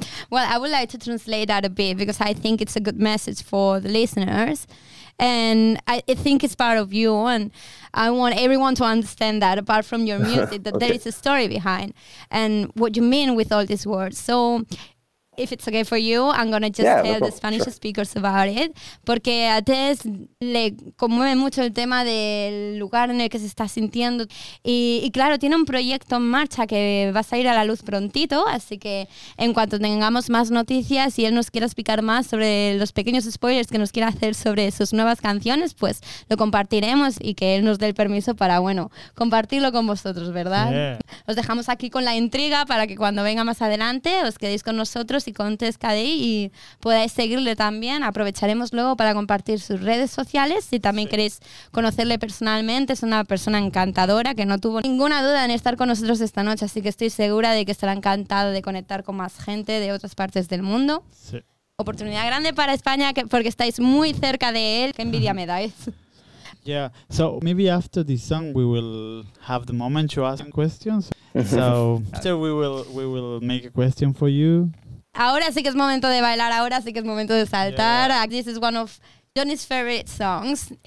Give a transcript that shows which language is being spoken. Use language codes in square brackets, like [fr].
[en] Well, I would like to translate that a bit, because I think it's a good message for the listeners. And I think it's part of you, and I want everyone to understand that, apart from your music, that there is a story behind and what you mean with all these words. So if it's okay for you, I'm going to just tell the Spanish speakers about it. [es] Porque a Tez le conmueve mucho el tema del lugar en el que se está sintiendo. Y claro, tiene un proyecto en marcha que va a salir a la luz prontito. Así que en cuanto tengamos más noticias y él nos quiera explicar más sobre los pequeños spoilers que nos quiera hacer sobre sus nuevas canciones, pues lo compartiremos y que él nos dé el permiso para, bueno, compartirlo con vosotros, ¿verdad? [en] Yeah. [es] Os dejamos aquí con la intriga para que cuando venga más adelante os quedéis con nosotros y con Tez Cadey y podáis seguirle también. Aprovecharemos luego para compartir sus redes sociales. Si también queréis conocerle personalmente, es una persona encantadora que no tuvo ninguna duda en estar con nosotros esta noche, así que estoy segura de que estará encantado de conectar con más gente de otras partes del mundo. Sí. Oportunidad grande para España, porque estáis muy cerca de él. Qué envidia me dais. [en] Yeah, so maybe after this song we will have the moment to ask questions. So after we will make a question for you. [es] Ahora sí que es momento de bailar, ahora sí que es momento de saltar. Yeah. [en] This is one of Johnny's favorite songs.